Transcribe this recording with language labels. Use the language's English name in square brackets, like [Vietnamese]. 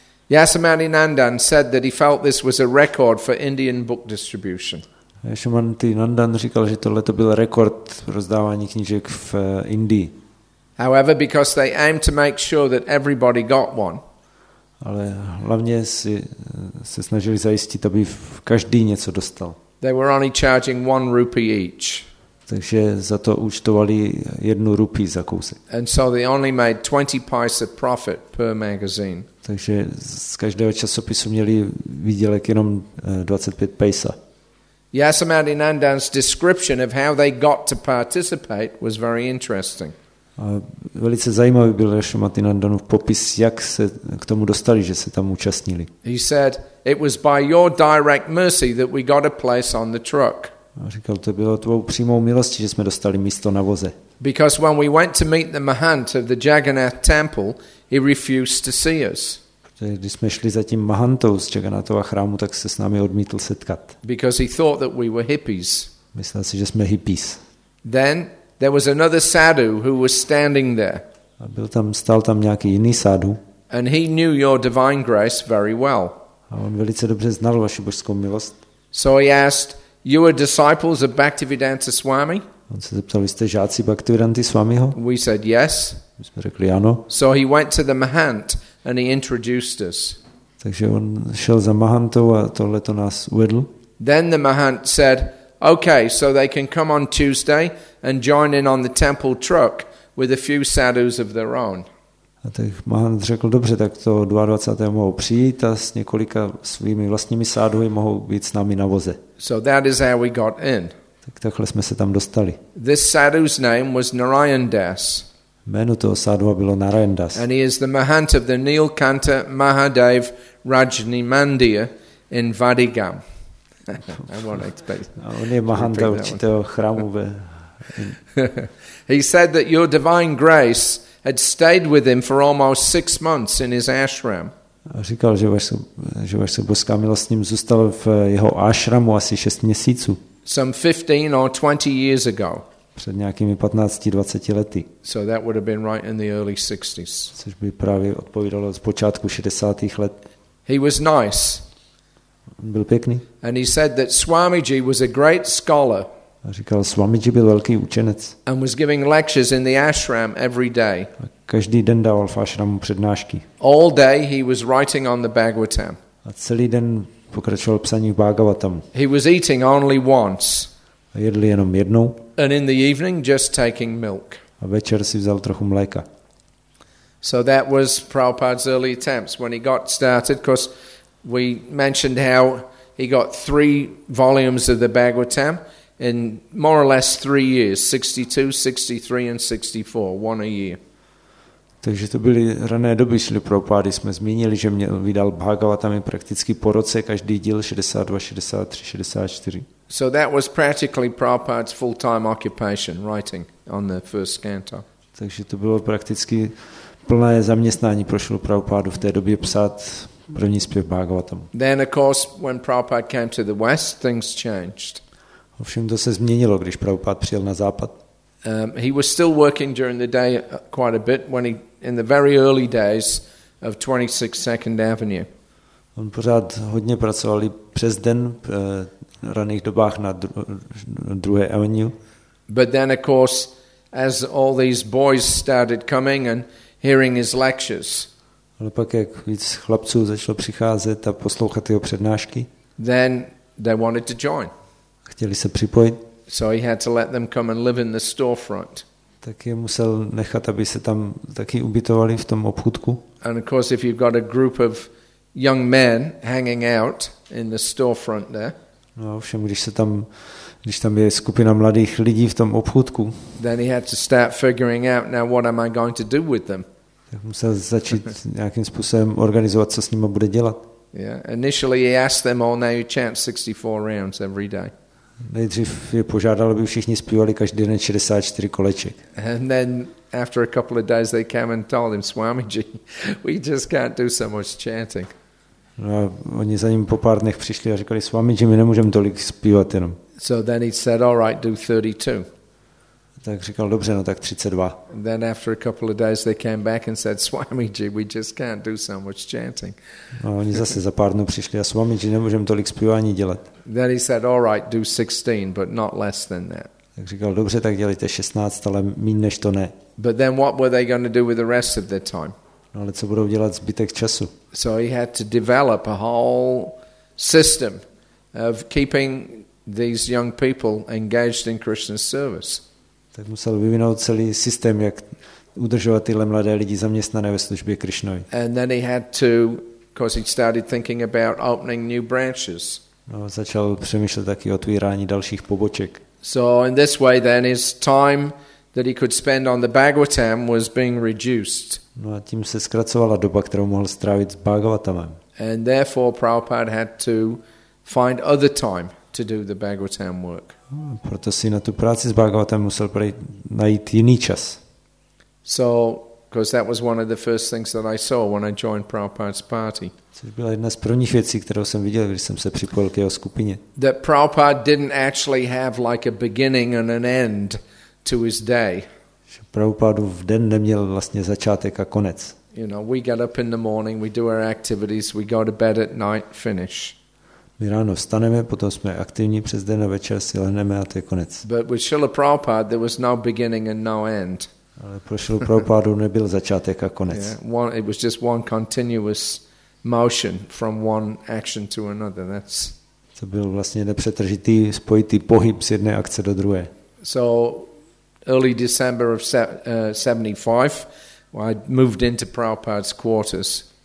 [English] Yashamati Nandan said that he felt this was a record for Indian book distribution. [Czech] Yashamati Nandan říkal, že tohle to byl rekord rozdávání knížek v Indii. [English] However, because they aimed to make sure that everybody got one. [Czech] Ale hlavně si se snažili zajistit, aby každý něco dostal. [English] They were only charging 1 rupee each. [Czech] Takže za to účtovali 1 rupii za kousek. [English] And so they only made 20 paise profit per magazine. [Czech] Takže z každého časopisu měli výdělek jenom 25 paisa. [English] Yashamati Nandan's description of how they got to participate was very interesting. [Czech] A velice zajímavý byl Yashamati Nandanův popis, jak se k tomu dostali, že se tam účastnili. [English] He said, "It was by your direct mercy that we got a place on the truck." [Czech] A říkal, to bylo tvou přímou milostí, že jsme dostali místo na voze. [English] Because when we went to meet the Mahant of the Jagannath temple, he refused to see us. [Czech] Protože když jsme šli za tím Mahantou z Jagannathova chrámu, tak se s námi odmítl setkat. [English] Because he thought that we were hippies. [Czech] Myslel si, že jsme hippies. [English] Then there was another sadhu who was standing there. [Czech] A byl tam, stál tam nějaký jiný sadhu. [English] And he knew your divine grace very well. [Czech] A on velice dobře znal vaši božskou milost. [English] So he asked, "You are disciples of Bhaktivedanta Swami?" [Czech] On se zeptal, jste žáci Bhaktivedanty Swamiho? [English] We said yes. [Czech] My jsme řekli ano. [English] So he went to the Mahant and he introduced us. [Czech] Takže on šel za Mahantou a tohle to nás uvedl. [English] Then the Mahant said, "Okay, so they can come on Tuesday and join in on the temple truck with a few sadhus of their own." [Czech] A tak Mahant řekl, dobře, tak to 22. mohou přijít a s několika svými vlastními sádhuji mohou být s námi na voze. [English] So that is how we got in. [Czech] Tak takhle jsme se tam dostali. [English] This sadhu's name was Narayan Das. [Czech] Jméno toho sádhuva bylo Narayan Das. [English] And he is the Mahant of the Nilkanta Mahadev Rajni Mandir in Vadigam. I won't expect. [Czech] A on je Mahanta určitého chrámu ve... [English] He said that your divine grace had stayed with him for almost 6 months in his ashram. [Czech] A říkal, že vaše božská milost s ním zůstala v jeho ashramu asi 6 měsíců. [English] Some 15 or 20 years ago. [Czech] Před nějakými 15-20 lety. [English] So that would have been right in the early 60s. [Czech] Což by právě odpovídalo z počátku 60. let. [English] He was nice. [Czech] On byl pěkný. [English] And he said that Swamiji was a great scholar. [Czech] A říkal, Swamiji byl velký učenec. [English] And was giving lectures in the ashram every day. [Czech] A každý den dával v ashramu přednášky. [English] All day he was writing on the Bhagavatam. [Czech] A celý den pokračoval psaní v Bhagavatam. [English] He was eating only once. [Czech] A jedl jenom jednou. [English] And in the evening just taking milk. [Czech] A večer si vzal trochu mléka. [English] So that was Prabhupada's early attempts when he got started, because we mentioned how he got 3 volumes of the Bhagavatam in more or less 3 years, 62, 63 and 64, one a year. [Czech] Takže to byly rané doby Šrily Prabhupády. Jsme zmínili, že mě vydal Bhagavatami prakticky po roce každý díl 62, 63, 64. [English] So that was practically Prabhupada's full-time occupation, writing on the first canto. [Czech] Takže to bylo prakticky plné zaměstnání pro Šrilu Prabhupádu v té době psát první zpěv Bhagavatam. [English] Then of course when Prabhupada came to the west, things changed. [Czech] Ovšem to se změnilo, když Prabhupád přijel na západ. [English] He was still working during the day quite a bit when he in the very early days of 26 Second Avenue. [Czech] On pořád hodně pracoval i přes den v raných dobách na druhé avenue. [English] But then of course as all these boys started coming and hearing his lectures. [Czech] Ale pak jak víc chlapců začalo přicházet a poslouchat jeho přednášky. [English] Then they wanted to join. [Czech] Chtěli se připojit. [English] So he had to let them come and live in the storefront. [Czech] Tak je musel nechat, aby se tam taky ubytovali v tom obchůdku. [English] And of course if you've got a group of young men hanging out in the storefront there. [Czech] No ovšem, když tam je skupina mladých lidí v tom obchůdku. [English] Then he had to start figuring out now what am I going to do with them? [Czech] Tak musel začít nějakým způsobem organizovat, co s nimi bude dělat. [English] Yeah, initially he asked them all now you chant 64 rounds every day. [Czech] Nejdřív je požádal, aby všichni zpívali každý den 64 koleček. [English] And then after a couple of days they came and told him Swamiji, we just can't do so much chanting. [Czech] No a oni za ním po pár dnech přišli a řekli Swamiji, my nemůžeme tolik zpívat jenom. [English] So then he said all right, do 32. [Czech] Tak říkal dobře, no tak 32. [English] And then after a couple of days they came back and said Swamiji, we just can't do so much chanting. [Czech] No, oni zase za pár dnů přišli a Swamiji, nemůžeme tolik zpívání dělat. [English] Then he said all right, do 16, but not less than that. [Czech] Tak říkal dobře, tak dělejte 16, ale míň než to ne. [English] But then what were they going to do with the rest of their time? [Czech] No, ale co budou dělat zbytek času? [English] So he had to develop a whole system of keeping these young people engaged in Krishna's service. [Czech] Tak musel vyvinout celý systém, jak udržovat tyhle mladé lidi zaměstnané ve službě Krišnovi. [English] And then he had to, because he started thinking about opening new branches. [Czech] No, začal přemýšlet taky o otvírání dalších poboček. [English] So in this way then his time that he could spend on the Bhagavatam was being reduced. [Czech] No a tím se zkracovala doba, kterou mohl strávit s Bhagavatamem. [English] And therefore Prabhupada had to find other time to do the Bhagavatam work. [Czech] Proto si na tu práci s Bhagavatam musel najít jiný čas. [English] So, because that was one of the first things that I saw when I joined Prabhupada's party. [Czech] Což byla jedna z prvních věcí, kterou jsem viděl, když jsem se připojil k jeho skupině. [English] That Prabhupada didn't actually have like a beginning and an end to his day. [Czech] Že Prabhupada v den neměl vlastně začátek a konec. [English] You know, we get up in the morning, we do our activities, we go to bed at night, finish. [Czech] My ráno vstaneme, potom jsme aktivní přes den a večer si lehneme a to je konec. [English] But with Srila Prabhupada there was no beginning and no end. [Czech] Ale pro Srilu Prabhupádu nebyl začátek a konec. [English] Yeah, it was just one continuous motion from one action to another. That's [Czech] to byl vlastně nepřetržitý spojitý pohyb z jedné akce do druhé. [English] So early December of 75 I moved into Prabhupada's quarters.